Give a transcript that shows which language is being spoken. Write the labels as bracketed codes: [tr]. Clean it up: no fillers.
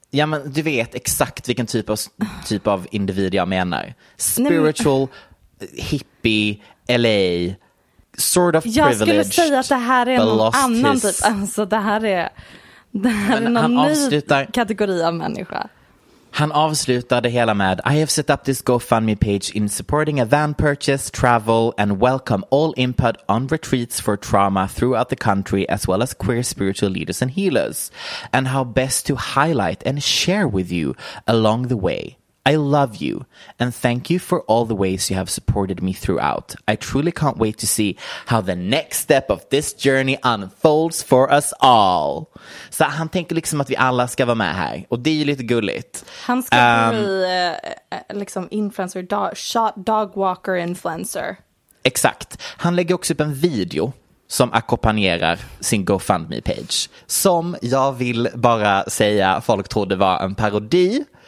[sv] Ja, men du vet exakt vilken typ av individ jag menar. [en] Spiritual, [sv] nej, men... [en] hippie, LA, sort of [sv] jag [en] privileged. [sv] Jag skulle säga att det här är någon annan typ. Alltså det här är någon ny kategori av människa. Han avslutade hela med [en] I have set up this GoFundMe page in supporting a van purchase, travel and welcome all input on retreats for trauma throughout the country as well as queer spiritual leaders and healers and how best to highlight and share with you along the way. I love you and thank you for all the ways you have supported me throughout. I truly can't wait to see how the next step of this journey unfolds for us all. [sv] Så han tänker liksom att vi alla ska vara med här. Och det är lite gulligt. Han ska bli influencer, shot dog walker influencer. Exakt. Han lägger också upp en video som ackompanjerar sin GoFundMe-page. Som jag vill bara säga, folk trodde var en parodi.